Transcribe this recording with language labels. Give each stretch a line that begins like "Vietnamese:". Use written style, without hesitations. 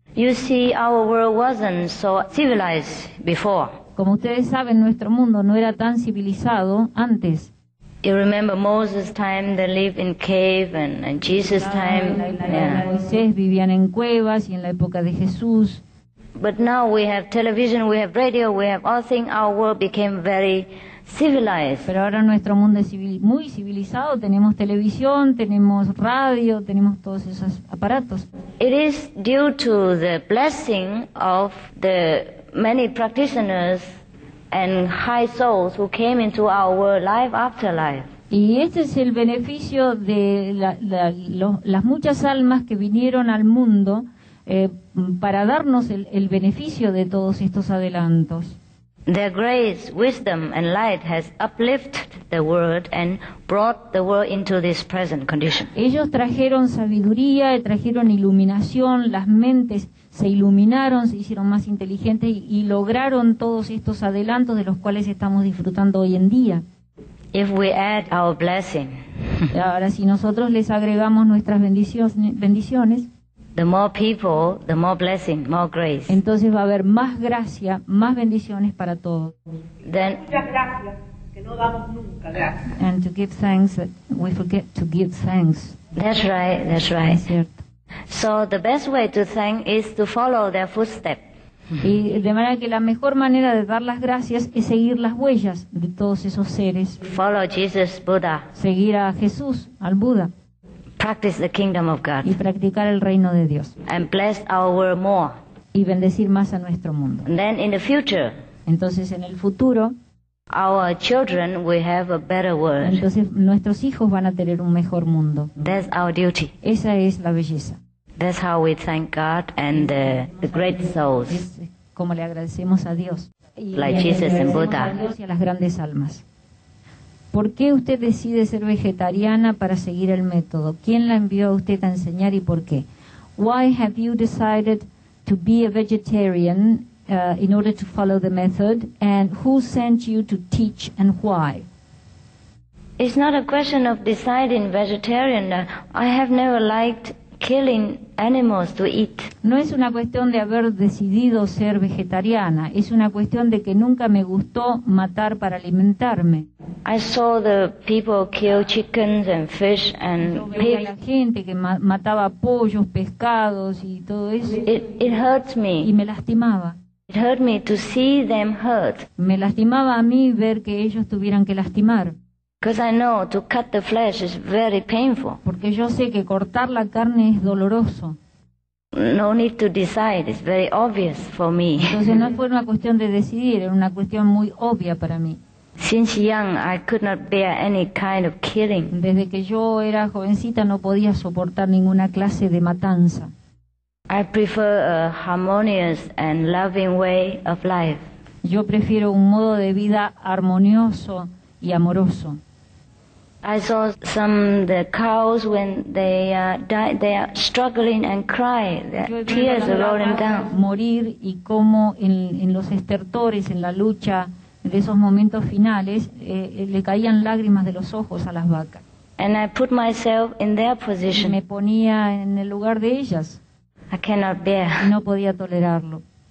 English: You see, our world wasn't so civilized before.
Spanish: Como ustedes saben, nuestro mundo no era tan civilizado antes.
English: You remember Moses' time, they lived in cave, and Jesus' time.
Spanish: Moisés vivían en cuevas y en la época de Jesús.
English: But now we have television, we have radio, we have all things. Our world became very civilized.
Spanish: Pero ahora nuestro mundo es muy civilizado. Tenemos televisión, tenemos radio, tenemos todos esos aparatos.
English: It is due to the blessing of the many practitioners and high souls who came into our world life after life.
Spanish: Y este es el beneficio de las muchas almas que vinieron al mundo. Para darnos el beneficio de todos estos adelantos.
English: Their grace, wisdom and light has uplifted the world and brought the world into this present condition.
Spanish: Ellos trajeron sabiduría, trajeron iluminación, las mentes se iluminaron, se hicieron más inteligentes y lograron todos estos adelantos de los cuales estamos disfrutando hoy en día.
English: If we add our blessing.
Spanish: Ahora, si nosotros les agregamos nuestras bendiciones,
English: the more people, the more blessing, more grace.
Spanish: Entonces va a haber más gracia, más bendiciones para todos. Then, muchas gracias, que no damos nunca gracias.
English: And to give thanks, we forget to give thanks. That's right.
Spanish: Es cierto.
English: So the best way to thank is to follow their footsteps.
Spanish: Y de manera que la mejor manera de dar las gracias es seguir las huellas de todos esos seres.
English: Follow Jesus, Buddha.
Spanish: Seguir a Jesús, al Buda.
English: Practice the kingdom of God.
Spanish: Y practicar el reino de Dios.
English: And bless our world more.
Spanish: Y bendecir más a nuestro mundo.
English: And then in the future.
Spanish: Entonces en el futuro.
English: Our children will have a better world.
Spanish: Entonces nuestros hijos van a tener un mejor mundo.
English: That's our duty.
Spanish: Esa es la belleza.
English: That's how we thank God and the great souls.
Spanish: Es como le agradecemos a Dios.
English: Like Jesus and Buddha.
Spanish: A Dios y a las grandes almas. ¿Por qué usted decide ser vegetariana para seguir el método? ¿Quién la envió a usted a enseñar y por qué?
English: Why have you decided to be a vegetarian in order to follow the method? And who sent you to teach and why? It's not a question of deciding vegetarian. I have never liked killing animals to eat.
Spanish: No es una cuestión de haber decidido ser vegetariana, es una cuestión de que nunca me gustó matar para alimentarme.
English: I saw the people kill chickens and fish and pigs.
Spanish: Yo veía a la gente que mataba pollos, pescados y todo eso.
English: It hurts me.
Spanish: Y me lastimaba.
English: It hurt me to see them hurt.
Spanish: Me lastimaba a mí ver que ellos tuvieran que lastimar.
English: Because I know to cut the flesh is very painful.
Spanish: Porque yo sé que cortar la carne es doloroso.
English: No need to decide, it's very obvious for me.
Spanish: Entonces no fue una cuestión de decidir, era una cuestión muy obvia para mí.
English: Since young, I could not bear any kind of killing.
Spanish: Desde que yo era jovencita no podía soportar ninguna clase de matanza.
English: I prefer a harmonious and loving way of life.
Spanish: Yo prefiero un modo de vida armonioso y amoroso.
English: I saw some the cows when they died, they are struggling and cry, their tears are rolling down.
Spanish: Morir y cómo en los estertores, en la lucha de esos momentos finales, le caían lágrimas de los ojos a las vacas.
English: And I put myself in their position.
Spanish: Me ponía en el lugar de ellas.
English: I cannot bear.
Spanish: No podía tolerarlo.